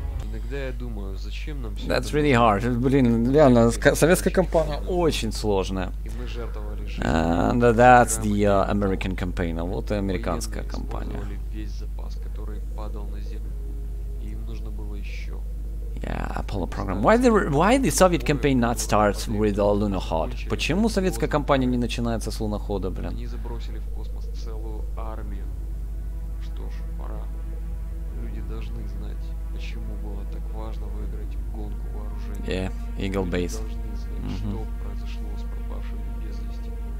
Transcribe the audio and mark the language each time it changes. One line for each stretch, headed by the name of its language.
Russian: Иногда я думаю, зачем нам все.
English: That's really hard.
Russian: Блин, реально, советская компания очень сложная. И мы жертвовали жизнь.
English: And that's the American campaign.
Russian: Вот и американская компания. Весь запас, который падал на землю. Им нужно было еще.
English: Yeah, Apollo program. Why the Soviet campaign not starts with Lunokhod?
Russian: Почему советская кампания не начинается с лунохода, блин? Они забросили в космос целую армию. Что ж, пора. Люди должны знать, почему было так важно выиграть гонку вооружений.
English: Yeah, Eagle Base.
Russian: Что произошло с пропавшими без вести?